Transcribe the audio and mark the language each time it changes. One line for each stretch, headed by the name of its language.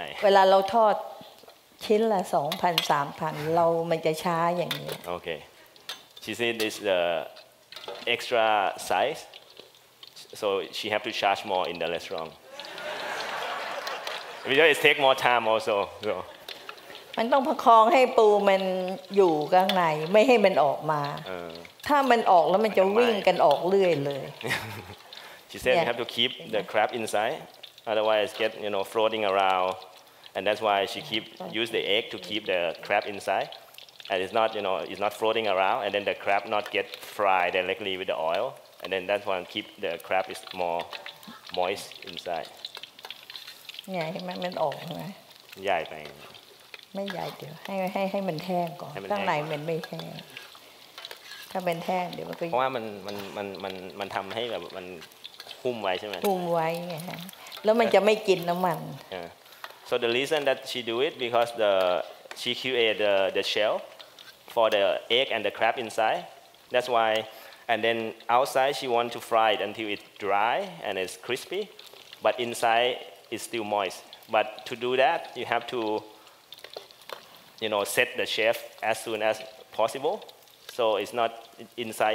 Thai: เวลาเราทอดชิ้นละ 2,000 3,000 เรามันจะช้าอย่างนี้โอเค
English: she said this the extra size so she have to charge more in the restaurant because it take more time also so
Thai: มันต้องประคองให้ปูมันอยู่ข้างในไม่ให้มันออกมาถ้ามันออกแล้วมันจะวิ่งกันออกเรื่อยเลย
English: She said yeah. You have to keep the crab inside, otherwise get you know floating around, and that's why she keep use the egg to keep the crab inside, and it's not you know it's not floating around, and then the crab not get fried directly with the oil, and then that's why keep the crab is more moist inside. Yeah, it's not big. Yeah, big. Not big. Just let it be soft first. Inside, it's not soft.
Thai: ถ้าเป็นแท่งเดี๋ยวมันก็ เพราะว่ามันทำให้แบบมันหุ้มไว้ใช่ไหม หุ้มไว้ไงฮะแล้วมันจะไม่กินน้ำมัน
English: so the reason that she do it because she create the shell for the egg and the crab inside that's why and then outside she want to fry it until it dry and it's crispy but inside it's still moist but to do that you have to you know set the chef as soon as possibleSo it's not inside.